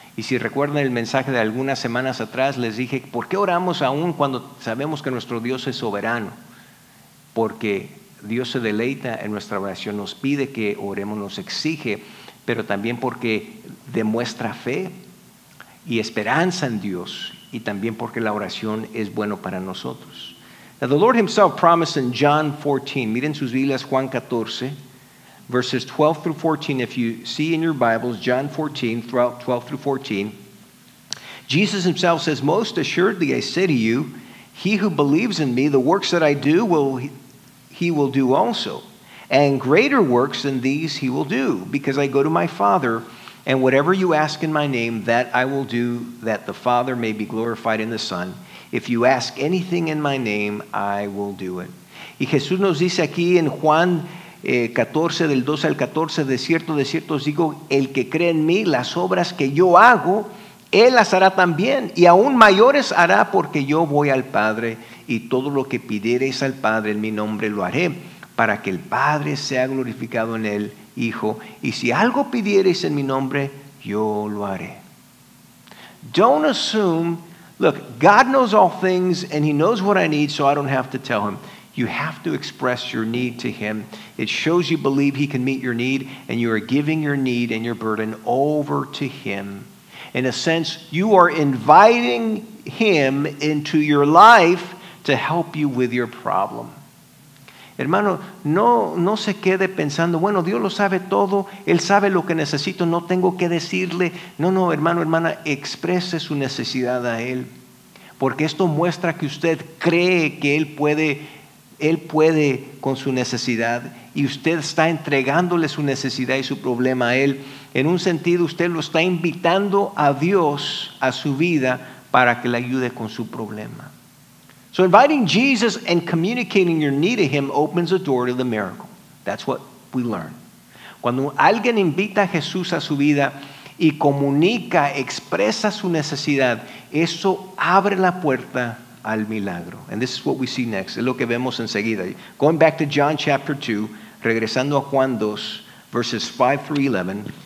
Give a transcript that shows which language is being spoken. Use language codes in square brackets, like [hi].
[es] Y si recuerdan el mensaje de algunas semanas atrás, les dije, ¿por qué oramos aún cuando sabemos que nuestro Dios es soberano? Porque Dios se deleita en nuestra oración, nos pide que oremos, nos exige, pero también porque demuestra fe y esperanza en Dios, y también porque la oración es bueno para nosotros. [en] Now the Lord himself promised in John 14, [es] miren sus Biblias, Juan 14, [en] verses 12 through 14, if you see in your Bibles, John 14, throughout 12 through 14, Jesus himself says, most assuredly I say to you, he who believes in me, the works that I do, he will do also. And greater works than these he will do, because I go to my Father, and whatever you ask in my name, that I will do, that the Father may be glorified in the Son. If you ask anything in my name, I will do it. [es] Y Jesús nos dice aquí en Juan 14, del 12 al 14, de cierto os digo, el que cree en mí, las obras que yo hago, él las hará también, y aún mayores hará, porque yo voy al Padre, y todo lo que pidiereis al Padre en mi nombre lo haré, para que el Padre sea glorificado en el Hijo, y si algo pidiereis en mi nombre, yo lo haré. [en] Don't assume, look, God knows all things, and he knows what I need, so I don't have to tell him. You have to express your need to him. It shows you believe he can meet your need, and you are giving your need and your burden over to him. In a sense, you are inviting him into your life to help you with your problem. [es] Hermano, no se quede pensando, bueno, Dios lo sabe todo, él sabe lo que necesito, no tengo que decirle. No, hermano, hermana, exprese su necesidad a él, porque esto muestra que usted cree que él puede. Él puede con su necesidad, y usted está entregándole su necesidad y su problema a él. En un sentido, usted lo está invitando a Dios a su vida para que le ayude con su problema. [en] So inviting Jesus and communicating your need to him opens the door to the miracle. That's what we learn. [es] Cuando alguien invita a Jesús a su vida y comunica, expresa su necesidad, eso abre la puerta al milagro. [en] And this is what we see next. [es] Es lo que vemos enseguida. [en] Going back to John chapter 2, [es] regresando a Juan 2, [en] verses 5 through 11.